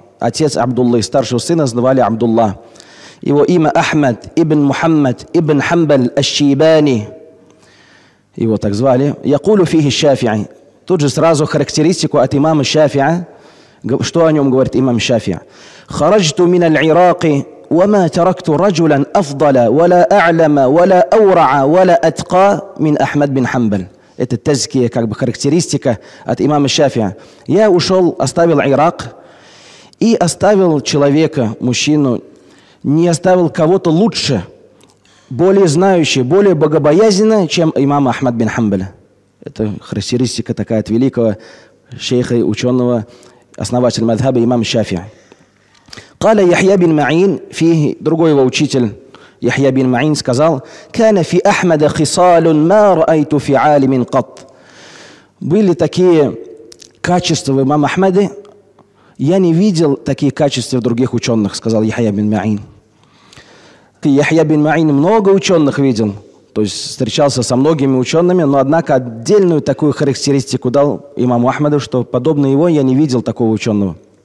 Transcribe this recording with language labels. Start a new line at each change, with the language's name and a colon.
Russian: Отец Абдуллы, старшего сына звали Абдулла. Его имя Ахмад ибн Мухаммад ибн Хамбаль аш-Шибани. Его так звали. Якулю фихи Шафии. Тут же сразу характеристику от имама Шафия. Что о нем говорит имам Шафия? Хараджту мин аль-Ираки.
Arabic: وما تركت رجلا افضل ولا اعلم ولا اورع ولا اتقى من احمد بن حنبل.
Russian: Это тазкия, как бы характеристика от имама Шафия. Я ушел, оставил Ирак и оставил человека, мужчину, не оставил кого-то лучше, более знающего, более богобоязненного, чем имам Ахмад бин Хамбаля. Это характеристика такая от великого шейха и ученого, основателя мадхаба, имам Шафия.
Arabic: قال يحيى بن معين فيه
Russian: другой его учитель
Arabic: يحيى بن معين
Russian: сказал
Arabic: كان في احمد خصال ما رايت في عالم قط.
Russian: Были такие качества в имаме Ахмаде, я не видел такие качества в других ученых, сказал يحيى بن معين. Ты, يحيى بن معين, много ученых видел, то есть встречался со многими учеными, но однако отдельную такую характеристику дал имаму Ахмаду, что подобно его я не видел такого ученого.